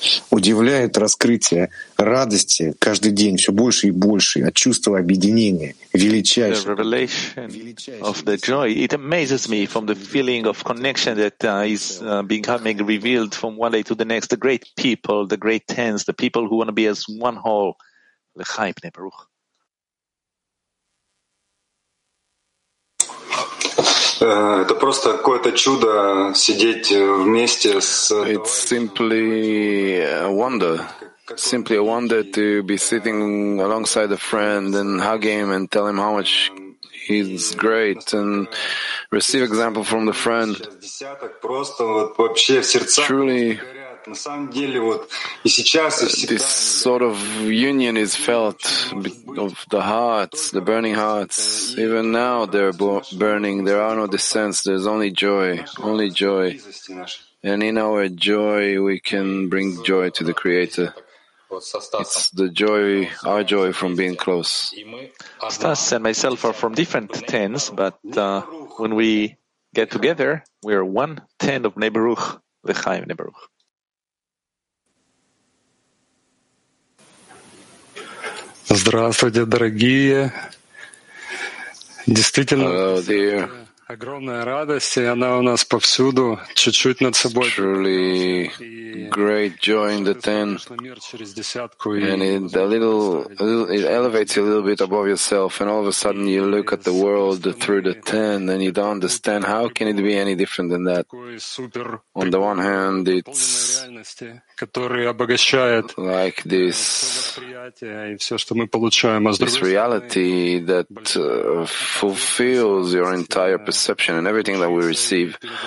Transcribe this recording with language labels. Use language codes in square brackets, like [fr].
[ru] Удивляет раскрытие радости каждый день все больше и больше от чувства объединения величайшего. [en] The revelation of the joy, it amazes me, from the feeling of connection that is becoming revealed from one day to the next. The great people, the great tens, the people who want to be as one whole. [he] Lechaim Bnei Baruch. [ru] Это просто какое-то чудо сидеть вместе с. [en] It's simply a wonder. Simply a wonder to be sitting alongside a friend and hug him and tell him how much he's great and receive example from the friend. [ru] Просто вот вообще в сердцах. [en] Truly. This sort of union is felt of the hearts, the burning hearts. Even now they're burning. There are no dissents. There's only joy, only joy. And in our joy, we can bring joy to the Creator. It's the joy, our joy from being close. Stas and myself are from different tens, but when we get together, we are one ten of Bnei Baruch, Lechaim Bnei Baruch. [ru] Здравствуйте, дорогие. Действительно, [en] hello, dear. [ru] Огромная радость, и она у нас повсюду, чуть-чуть над собой. [en] Truly great joy in the ten. And it elevates you a little bit above yourself, and all of a sudden you look at the world through the ten, and you don't understand how can it be any different than that. On the one hand, it's like this, this reality that fulfills your entire perception and everything that we receive.